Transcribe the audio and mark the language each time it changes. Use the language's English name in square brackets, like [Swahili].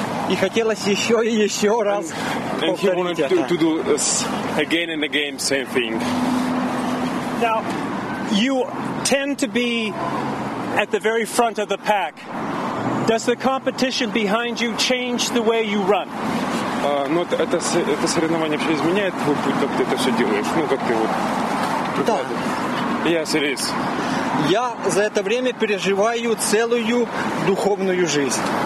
[Russian] И хотелось еще и еще раз повторить это. [English] And he wanted to do this again and again, same thing. Now, you tend to be at the very front of the pack. Does the competition behind you change the way you run? [Russian] Это соревнование вообще изменяет твой путь, как ты это все делаешь. Ну, как ты вот прикладываешь. Да. [English] Yes, it is. [Russian] Я за это время переживаю целую духовную жизнь.